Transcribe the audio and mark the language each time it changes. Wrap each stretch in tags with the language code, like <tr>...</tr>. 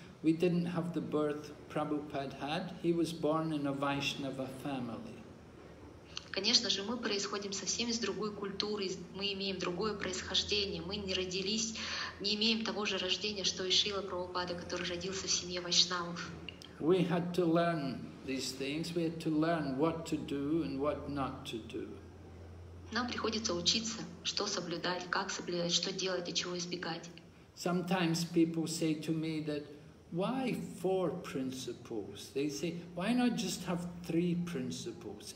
<en>We didn't have the birth Prabhupada had. He was born in a Vaishnava family.</en> <ru>Конечно же, мы происходим совсем из другой культуры, мы имеем другое происхождение, мы не родились, не имеем того же рождения, что и Шрила Прабхупада, который родился в семье вайшнавов.</ru> <en>We had to learn these things. We had to learn what to do and what not to do.</en> <ru>Нам приходится учиться, что соблюдать, как соблюдать, что делать и чего избегать.</ru> <en>Sometimes people say to me that why four principles? They say, why not just have three principles?</en>